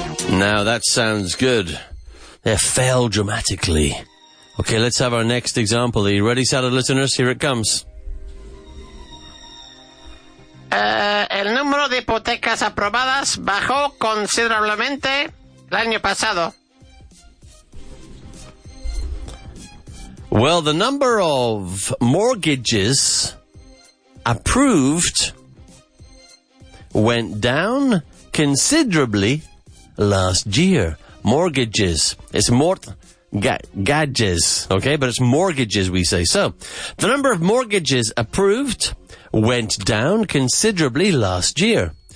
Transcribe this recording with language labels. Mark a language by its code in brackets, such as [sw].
[en] Now that sounds good. They fell dramatically. Okay, let's have our next example. Are you ready, salad listeners? Here it comes. [es] El número de hipotecas aprobadas bajó considerablemente el año pasado. [en] Well, the number of mortgages approved went down considerably last year. Mortgages. It's more... Gadges, okay, but it's mortgages we say. So, the number of mortgages approved went down considerably last year.